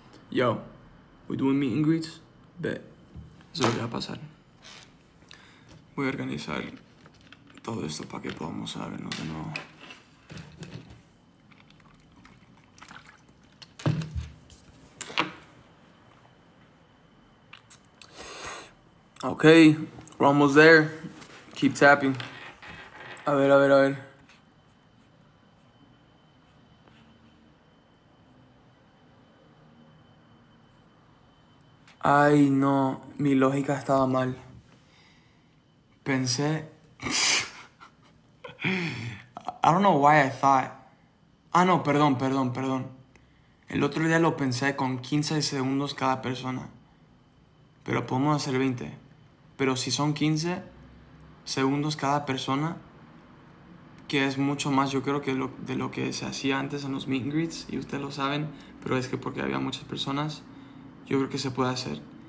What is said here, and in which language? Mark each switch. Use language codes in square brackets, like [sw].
[en] Yo, we doing meet and greets? [es] Bet. Eso lo voy a pasar. Voy a organizar todo esto para que podamos vernos de nuevo. [en] Ok, we're almost there. Keep tapping. [es] A ver, a ver, a ver. Ay, no, mi lógica estaba mal. Pensé. [en] I don't know why I thought. [es] Ah, no, perdón, perdón, perdón. El otro día lo pensé con 15 segundos cada persona. Pero podemos hacer 20. Pero si son 15 segundos cada persona, que es mucho más, yo creo, que de lo que se hacía antes en los meet and greets, y ustedes lo saben, pero es que porque había muchas personas, yo creo que se puede hacer.